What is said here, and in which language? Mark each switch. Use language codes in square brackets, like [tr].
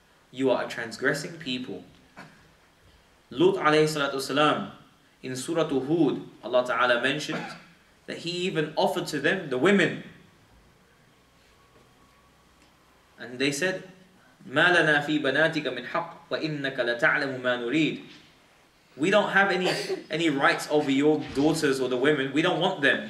[en] You are a transgressing people. Lut alayhi salatu wasalam, in Surah Hud, Allah Ta'ala mentioned that he even offered to them the women. And they said, [ar] مَا لَنَا فِي بَنَاتِكَ مِنْ حَقٍ وَإِنَّكَ لَتَعْلَمُ مَا نُرِيدٍ. [en] We don't have any rights over your daughters or the women. We don't want them.